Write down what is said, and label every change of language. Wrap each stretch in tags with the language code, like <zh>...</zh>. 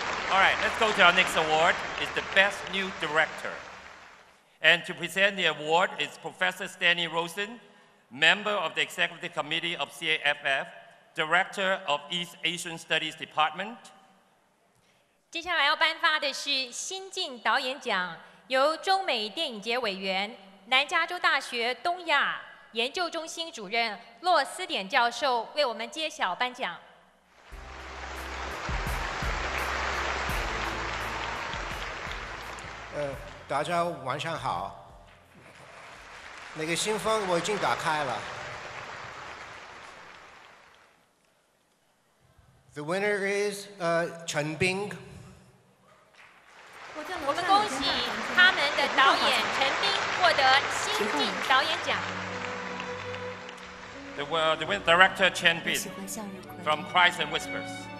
<en>All right, let's go to our next award. It's the Best New Director. And to present the award is Professor Stanley Rosen, member of the Executive Committee of CAFF, Director of East Asian Studies Department.</en> <zh>接下来要颁发的是新晋导演奖，由中美电影节委员、南加州大学东亚研究中心主任洛斯典教授为我们揭晓颁奖。大家晚上好，那个信封我已经打开了。</zh> <en>The winner is 陈冰。</en> <zh>我们恭喜他们的导演陈冰获得新晋导演奖。</zh> <en>The winner director Chen Bin from Cries and Whispers.</en>